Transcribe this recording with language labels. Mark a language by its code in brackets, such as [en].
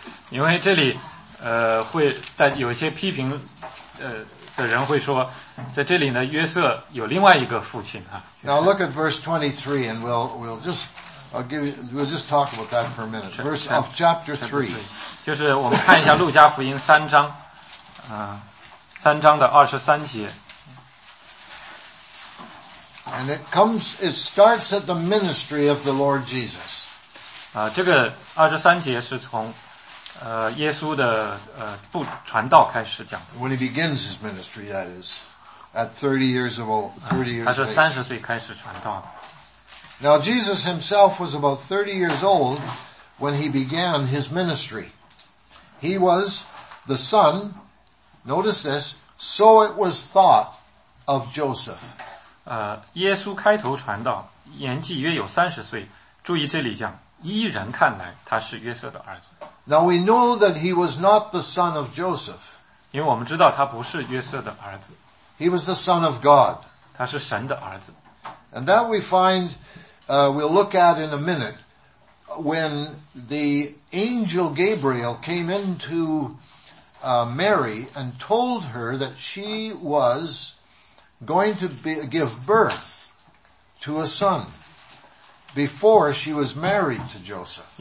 [zh] 因为这里会但有些批评的人会说在这里呢约瑟有另外一个父亲啊。 [en] Now look at verse 23 and we'll just talk about that for a minute. Verse of chapter 3. [zh] 就是我们看一下路加福音三章三章的二十三节。 [en] And it starts at the ministry of the Lord Jesus. [zh] 这个二十三节是从耶稣的不传道开始讲。 [en] When he begins his ministry, that is, at 30 years of old, 30 years old. [zh] 他是三十岁开始传道。 [en] Now Jesus himself was about 30 years old when he began his ministry. He was the son, notice this, so it was thought of Joseph. [zh] 耶稣开头传道，年纪约有三十岁，注意这里讲，依人看来他是约瑟的儿子。 [en] Now we know that he was not the son of Joseph. [zh] 因为我们知道他不是约瑟的儿子。 [en] He was the son of God. [zh] 他是神的儿子。 [en] And that we find, we'll look at in a minute, when the angel Gabriel came into, Mary and told her that she was going to give birth to a son before she was married to Joseph.